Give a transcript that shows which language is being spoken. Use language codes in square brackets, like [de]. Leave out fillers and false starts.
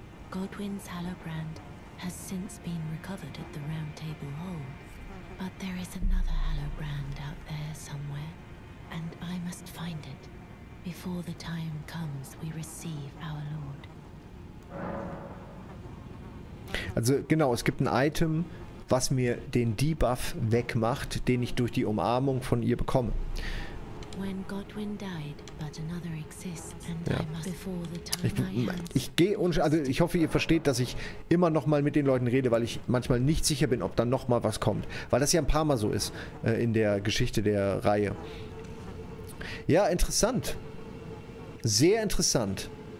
[en] Godwin's Hallobrand has since been recovered at the Round Table Hall. But there is another Hallobrand out there somewhere, and I must find it. Before the time comes, we receive our Lord. [de] Also genau, es gibt ein Item, was mir den Debuff wegmacht, den ich durch die Umarmung von ihr bekomme. [en] When Godwin died, but another exists, and ja. [de] Ich hoffe, ihr versteht, dass ich immer noch mal mit den Leuten rede, weil ich manchmal nicht sicher bin, ob dann noch mal was kommt. Weil das ja ein paar Mal so ist in der Geschichte der Reihe. Ja, interessant. Sehr interessant.